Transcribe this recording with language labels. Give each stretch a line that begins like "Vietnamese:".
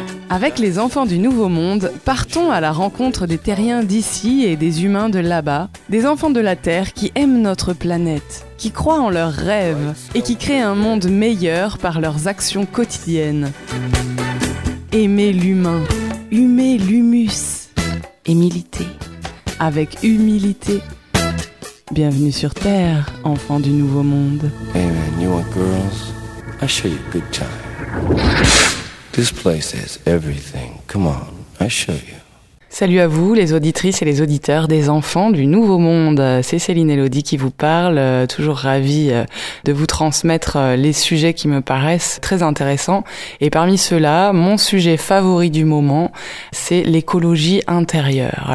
French: Avec les enfants du Nouveau Monde, partons à la rencontre des terriens d'ici et des humains de là-bas, des enfants de la Terre qui aiment notre planète, qui croient en leurs rêves et qui créent un monde meilleur par leurs actions quotidiennes. Aimer l'humain, humer l'humus, humilité, avec humilité. Bienvenue sur Terre, enfants du Nouveau Monde.
English: Hey man, you want girls? I show you a good time. This place has everything. Come on, I show you.
French: Salut à vous, les auditrices et les auditeurs des enfants du Nouveau Monde. C'est Céline Elodie qui vous parle, toujours ravie de vous transmettre les sujets qui me paraissent très intéressants. Et parmi ceux-là, mon sujet favori du moment, c'est l'écologie intérieure.